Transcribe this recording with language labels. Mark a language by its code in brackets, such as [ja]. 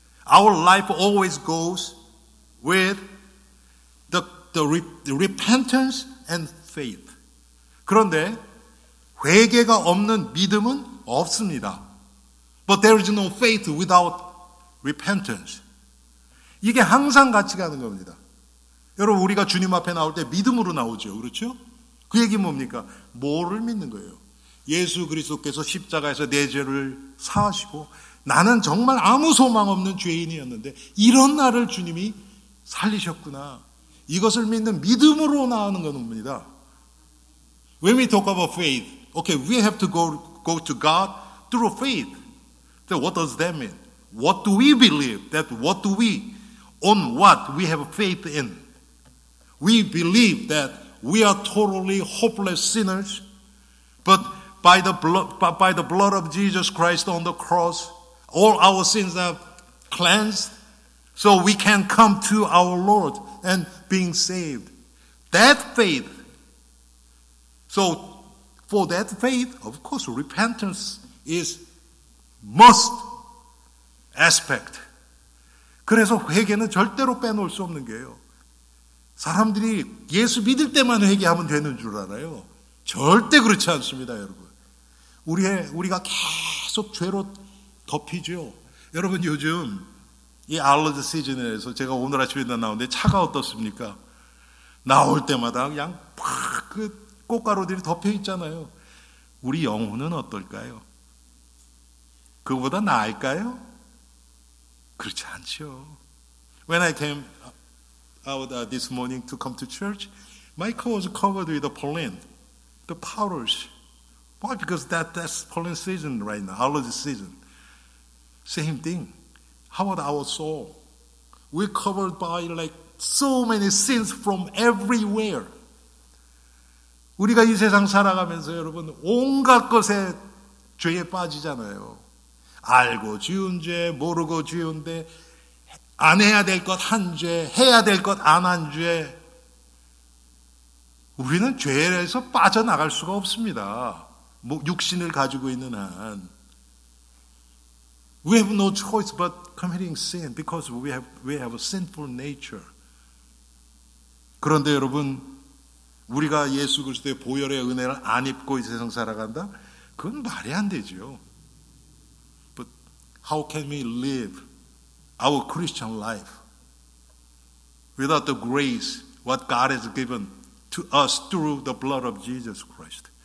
[en] Our life always goes with the repentance and faith. [ko] 그런데 회개가 없는 믿음은 없습니다. [en] But there is no faith without repentance. [ko] 이게 항상 같이 가는 겁니다. 여러분, 우리가 주님 앞에 나올 때 믿음으로 나오죠. 그렇죠? 그 얘기 뭡니까? 뭐를 믿는 거예요? 예수 그리스도께서 십자가에서 내 죄를 사하시고 나는 정말 아무 소망 없는 죄인이었는데 이런 나를 주님이 살리셨구나. 이것을 믿는 믿음으로 나오는 겁니다. [en] When we talk about faith, okay, we have to go to God through faith. So what does that mean? What do we believe? That what do we, on what we have faith in? We believe that we are totally hopeless sinners, but by the blood of Jesus Christ on the cross, all our sins are cleansed, so we can come to our Lord and being saved. That faith. So for that faith, of course, repentance is must aspect. [ko] 그래서 회개는 절대로 빼놓을 수 없는 게요. 사람들이 예수 믿을 때만 회개하면 되는 줄 알아요. 절대 그렇지 않습니다, 여러분. 우리가 계속 죄로 덮이죠. 여러분, 요즘 이 알러지 시즌에서 제가 오늘 아침에 나왔는데 차가 어떻습니까? 나올 때마다 그냥 팍 그 꽃가루들이 덮여 있잖아요. 우리 영혼은 어떨까요? 그보다 나을까요? 그렇지 않죠. [en] When I came out this morning to come to church, my car was covered with the pollen, the powders. Why? Because that's pollen season right now, allergy season. Same thing. How about our soul? We're covered by like so many sins from everywhere. [ko] 우리가 이 세상 살아가면서 여러분 온갖 것에 죄에 빠지잖아요. 알고 지은 죄, 모르고 지은 죄, 안 해야 될 것 한 죄, 해야 될 것 안 한 죄. 우리는 죄에서 빠져나갈 수가 없습니다. 뭐 육신을 가지고 있는 한. [en] We have no choice but committing sin because we have a sinful nature. [ko] 그런데 여러분, 우리가 예수 그리스도의 보혈의 은혜를 안 입고 이 세상 살아간다? 그건 말이 안 되죠. [en] How can we live our Christian life without the grace what God has given to us through the blood of Jesus Christ?